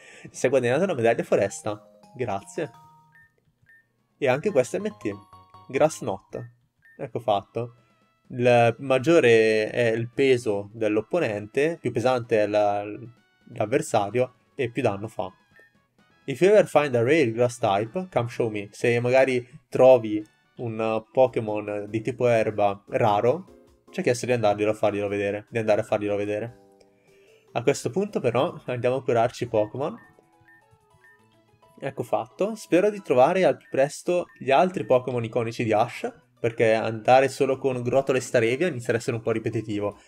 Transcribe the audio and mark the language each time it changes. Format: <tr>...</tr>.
<it>Si è guadagnata una medaglia foresta. Grazie. E anche questa MT. Grass Knot. Ecco fatto. Il maggiore è il peso dell'opponente, più pesante è l'avversario e più danno fa.</it> <en>If you ever find a rare grass type, come show me.</en> <it>Se magari trovi un Pokémon di tipo erba raro, c'è chiesto di andarglielo a farglielo vedere. Di andare a farglielo vedere. A questo punto però andiamo a curarci i Pokémon. Ecco fatto. Spero di trovare al più presto gli altri Pokémon iconici di Ash, perché andare solo con Grotole e Starevia inizia ad essere un po' ripetitivo.</it>